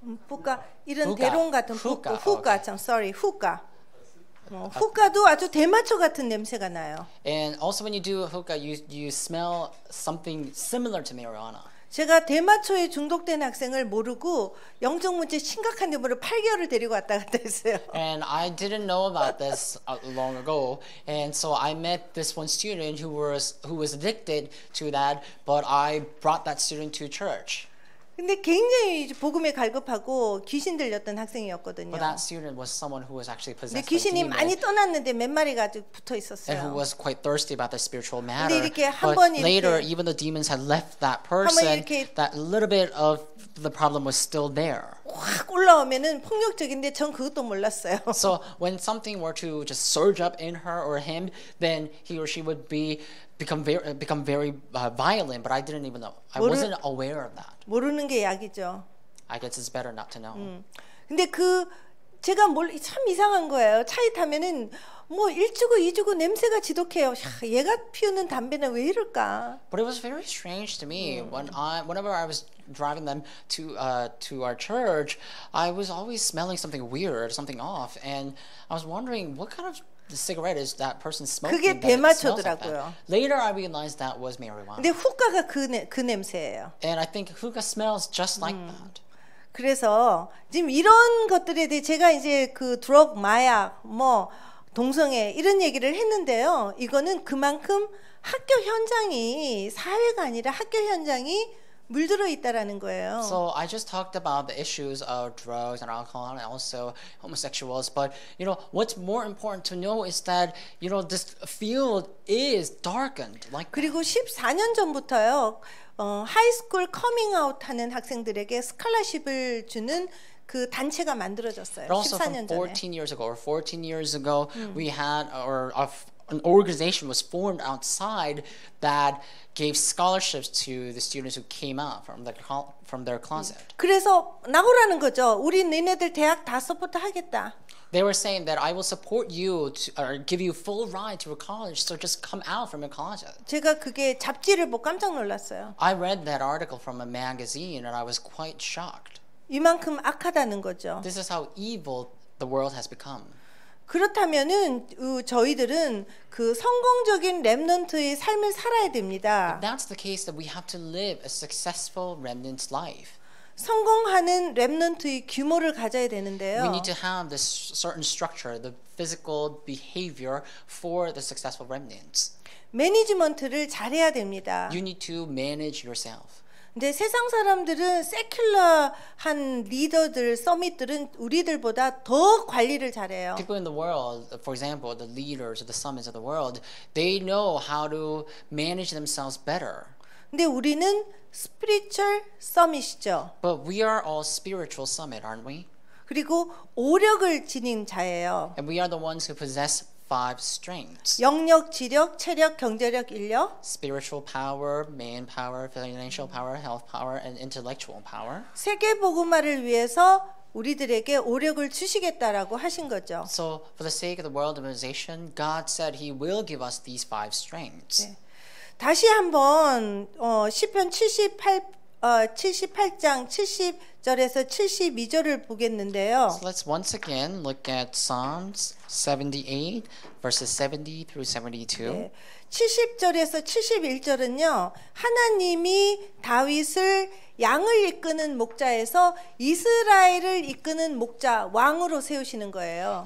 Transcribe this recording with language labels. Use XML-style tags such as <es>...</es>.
<ko>뿌까 이런 대롱 같은 뿌까.</ko> <en>후까. I'm sorry. 후까.</en> <ko>후카도 아주 대마초 같은 냄새가 나요.</ko> <en>And also when you do a hookah, you smell something similar to marijuana.</en> <ko>제가 대마초에 중독된 학생을 모르고 영적 문제 심각한 데모로 8개월을 데리고 왔다 갔다 했어요.</ko> <en>And I didn't know about this long ago. And so I met this one student who was addicted to that, but I brought that student to church.</en> <ko>근데 굉장히 복음에 갈급하고 귀신 들렸던 학생이었거든요.</ko> <en>But that student was someone who was actually possessed.</en> <ko>근데 귀신이 많이 떠났는데 몇 마리가 아직 붙어 있었어요.</ko> <en>And who was quite thirsty about the spiritual matter.</en> <ko>근데 이렇게 한 번 이렇게</ko> <en>later even the demons had left that person. That little bit of the problem was still there.</en> <ko>확 올라오면은 폭력적인데 전 그것도 몰랐어요.</ko> <en>So when something were to just surge up in her or him, then he or she would become very violent, but I didn't even know. I wasn't aware of that.</en> <ko>모르는 게 약이죠.</ko> <en>I guess it's better not to know.</en> <ko>근데 그 제가 뭘 참 이상한 거예요. 차에 타면은 뭐 1주고 2주고 냄새가 지독해요. 야, 얘가 피우는 담배는 왜 이럴까?</ko> <en>But it was very strange to me. Whenever I was driving them to our church, I was always smelling something weird, something off, and I was wondering what kind of the cigarette is that person smoking.</en> <ko>그게 대마초더라고요.</ko> <en>Like later I realized that was marijuana.</en> <ko>근데 후카가 그 냄새예요.</ko> <en>And I think hookah smells just like that.</en> <ko>그래서 지금 이런 것들에 대해 제가 이제 그 드럭 마약 뭐 동성애 이런 얘기를 했는데요. 이거는 그만큼 학교 현장이 사회가 아니라 학교 현장이 물들어 있다라는 거예요.</ko> <en>So I just talked about the issues of drugs and alcohol and also homosexuals, but you know what's more important to know is that you know this field is darkened. Like</en> <ko>그리고 14년 전부터요. 하이스쿨 커밍아웃 하는 학생들에게 스칼라십을 주는 그 단체가 만들어졌어요. 14년 전에.</ko> <en>Also, 14 years ago, or 14 years ago, we had an organization was formed outside that gave scholarships to the students who came out from their closet.</en> <ko>그래서 나오라는 거죠. 우리 너네들 대학 다 서포트 하겠다.</ko> <en>They were saying that I will support you or give you full ride to a college, so just come out from your closet.</en> <ko>제가 그게 잡지를 보고 깜짝 놀랐어요.</ko> <en>I read that article from a magazine and I was quite shocked.</en> <ko>이만큼 악하다는 거죠.</ko> <en>This is how evil the world has become.</en> <ko>그렇다면은 저희들은 그 성공적인 렘넌트의 삶을 살아야 됩니다.</ko> <en>But that's the case that we have to live a successful remnant life.</en> <ko>성공하는 렘넌트의 규모를 가져야 되는데요.</ko> <en>We need to have this certain structure, the physical behavior for the successful remnants.</en> <ko>매니지먼트를 잘해야 됩니다.</ko> <en>You need to manage yourself.</en> <ko>근데 세상 사람들은 세큘러한 리더들, 서밋들은 우리들보다 더 관리를 잘해요.</ko> <en>People in the world, for example, the leaders of the summits of the world, they know how to manage themselves better.</en> <ko>근데 우리는 스피리추얼 서밋이죠.</ko> <en>But we are all spiritual summit, aren't we?</en> <ko>그리고 오력을 지닌 자예요.</ko> <en>And we are the ones who possess five strengths.</en> <ko>영력, 지력, 체력, 경제력, 인력.</ko> <en>Spiritual power, manpower, financial power, health power, and intellectual power.</en> <ko>세계 복음화를 위해서 우리들에게 오력을 주시겠다라고 하신 거죠.</ko> <en>So for the sake of the world evangelization, God said He will give us these five strengths.</en> <ko>네. 다시 한번 시편 78장 70절에서 72절을 보겠는데요.</ko> <en>So let's once again look at Psalms 78 verses 70 through 72.</en> <ko>네. 70절에서 71절은요. 하나님이 다윗을 양을 이끄는 목자에서 이스라엘을 이끄는 목자 왕으로 세우시는 거예요.</ko>